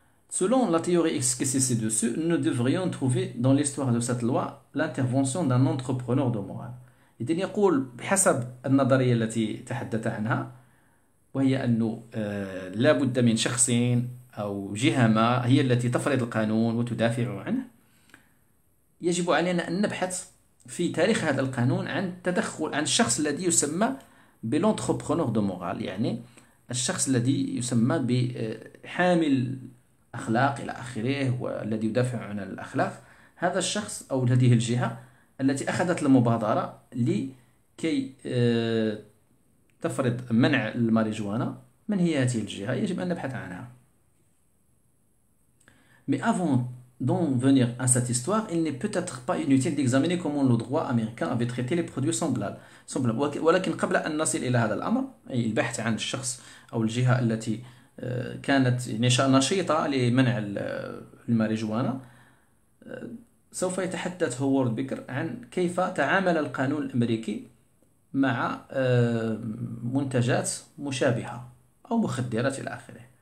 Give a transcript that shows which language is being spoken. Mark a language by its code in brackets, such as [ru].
[fr] Selon la théorie esquissée ci-dessus, nous devrions trouver dans l'histoire de cette loi l'intervention d'un entrepreneur de morale. [ar] إذن يقول بحسب النظرية التي تحدث عنها، وهي أنه لا بد من شخصين أو جهة ما هي التي تفرض القانون وتدافع عنه، يجب علينا أن نبحث في تاريخ هذا القانون عن تدخل عن الشخص الذي يسمى بالانتربرونور دو مورال، يعني الشخص الذي يسمى بحامل أخلاق إلى آخره، والذي يدافع عن الأخلاق، هذا الشخص أو هذه الجهة التي أخذت المبادرة لكي تفرض منع الماريجوانا، من هي هذه الجهة؟ يجب أن نبحث عنها. [fr] Mais avant d'en venir à cette histoire, il n'est peut-être pas inutile d'examiner comment le droit américain avait traité les produits semblables. [ar] ولكن قبل أن نصل إلى هذا الأمر، أي البحث عن الشخص أو الجهة التي كانت نشيطة لمنع الماريجوانا، سوف يتحدث هوارد بيكر عن كيف تعامل القانون الأمريكي مع منتجات مشابهة أو مخدرات إلى آخره.